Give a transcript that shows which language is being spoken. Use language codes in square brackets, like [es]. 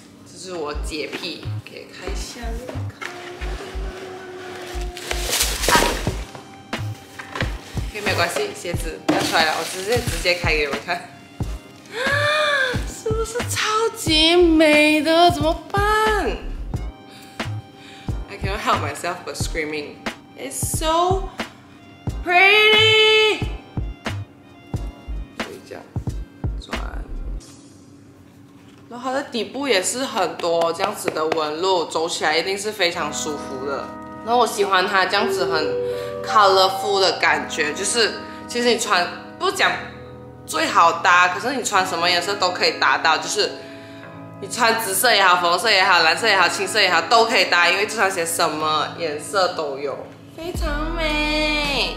[zh] 这是我洁癖，给开箱。没关系，鞋子要出来了，我直接开给你们看，是不是超级美的？怎么办 [en] ？I cannot help myself but screaming. It's so pretty. [zh] 就这样转，然后它的底部也是很多这样子的纹路，走起来一定是非常舒服的。然后我喜欢它这样子很。Colorful 的感觉，就是其实你穿不讲最好搭，可是你穿什么颜色都可以搭到，就是你穿紫色也好，粉色也好，蓝色也好，青色也好，都可以搭，因为这双鞋什么颜色都有，非常美。